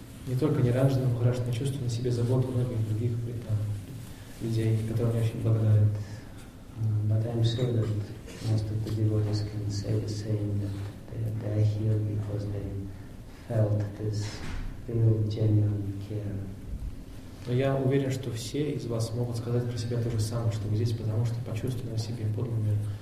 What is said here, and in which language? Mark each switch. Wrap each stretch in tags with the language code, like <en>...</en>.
<ru>Не только Ниранджана Махарадж, но чувствую на себе заботу многих других людей, которым я очень благодарен.</ru> <en>But I'm sure that most of the devotees can say the same, that they are here because they felt this real genuine care.</en> <ru>Но я уверен, что все из вас могут сказать про себя то же самое, что вы здесь, потому что почувствовали на себе подлинную</ru>